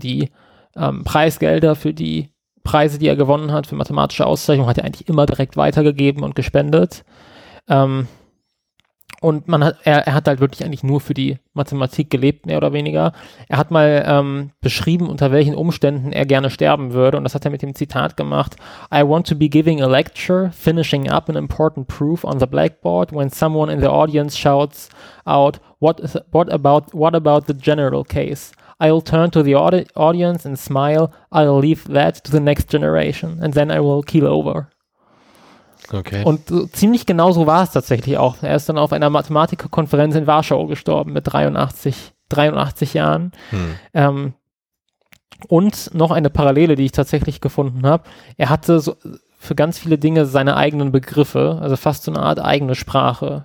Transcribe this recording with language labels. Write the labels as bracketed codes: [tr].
[de] Die Preisgelder für die Preise, die er gewonnen hat, für mathematische Auszeichnung, hat er eigentlich immer direkt weitergegeben und gespendet. Und er hat halt wirklich eigentlich nur für die Mathematik gelebt, mehr oder weniger. Er hat mal beschrieben, unter welchen Umständen er gerne sterben würde. Und das hat er mit dem Zitat gemacht. [en] I want to be giving a lecture, finishing up an important proof on the blackboard, when someone in the audience shouts out, what about the general case? I'll turn to the audience and smile. I'll leave that to the next generation. And then I will keel over. Okay. [de] Und ziemlich genau so war es tatsächlich auch. Er ist dann auf einer Mathematikerkonferenz in Warschau gestorben mit 83 Jahren. Hm. Und noch eine Parallele, die ich tatsächlich gefunden habe. Er hatte so für ganz viele Dinge seine eigenen Begriffe, also fast so eine Art eigene Sprache.